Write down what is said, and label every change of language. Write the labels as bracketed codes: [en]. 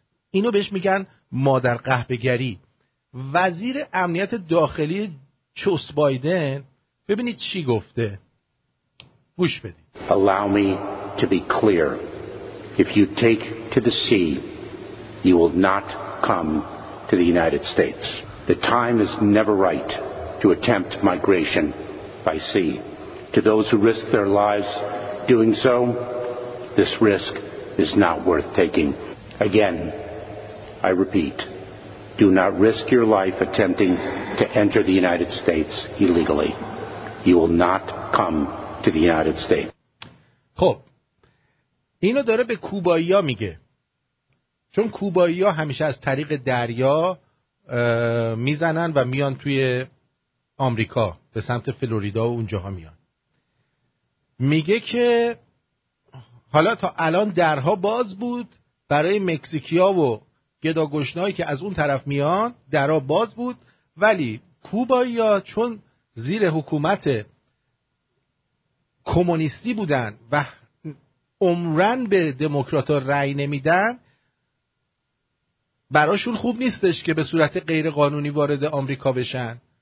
[fa] اینو بهش میگن مادر قهبه‌گری. وزیر امنیت داخلی چوس بایدن ببینید چی گفته، گوش بدید. [en] Allow me to be clear. If you take to the sea, you will not come to the United States. The time is never right to attempt migration by sea. To those who risk their lives doing so, this risk is not worth taking. Again, I repeat, do not risk your life attempting to enter the United States illegally. You will not come to the United States. [fa] خب اینو داره به کوبایی ها میگه، چون کوبایی ها همیشه از طریق دریا میزنن و میان توی آمریکا به سمت فلوریدا و اونجاها میان. میگه که حالا تا الان درها باز بود برای مکزیکیا و گداگشنایی که از اون طرف میان، درها باز بود، ولی کوبایی ها چون زیر حکومت کمونیستی بودن و عمرن به دموکرات‌ها رأی نمیدن، براشون خوب نیستش که به صورت غیر قانونی وارد آمریکا بشن.